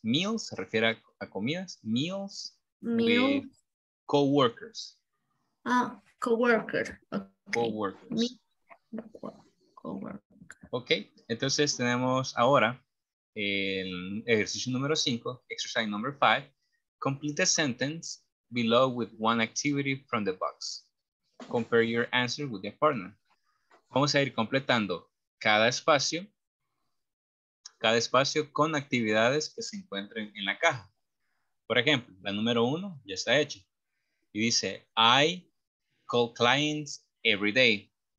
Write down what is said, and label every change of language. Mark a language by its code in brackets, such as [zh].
[es] Meals se refiere a comidas. Meals. [en] Meals. Co-workers. Ah, co-worker. Okay. Co-workers. [es] Okay, entonces tenemos ahora el ejercicio número 5, [en] exercise number 5. Complete a sentence below with one activity from the box. Compare your answer with your partner. [es] Vamos a ir completando cada espacio con actividades que se encuentren en la caja. Por ejemplo, la número 1 ya está hecha. Y dice, [en] I call clients every day.